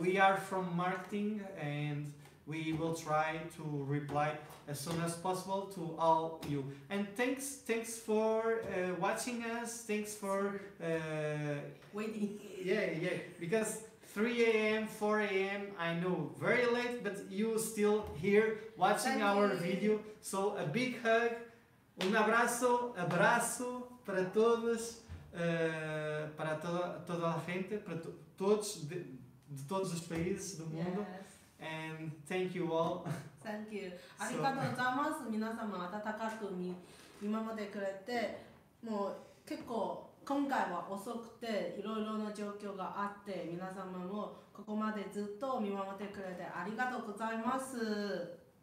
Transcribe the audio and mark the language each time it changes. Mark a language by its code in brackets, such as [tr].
[en] we are from marketing, and we will try to reply as soon as possible to all you. And thanks for watching us. Thanks for waiting. Yeah, because 3 a.m., 4 a.m., I know, very late, but you still here watching our video. So a big hug, [pt] abraço para todos, para toda a gente, para todos, de todos os países do mundo. [en] Yes. And thank you all. Thank you. [ja] ありがとうございます。皆様温かく見守ってくれて、もう結構今回は遅くて、いろいろな状況があって、皆様もここまでずっと見守ってくれてありがとうございます。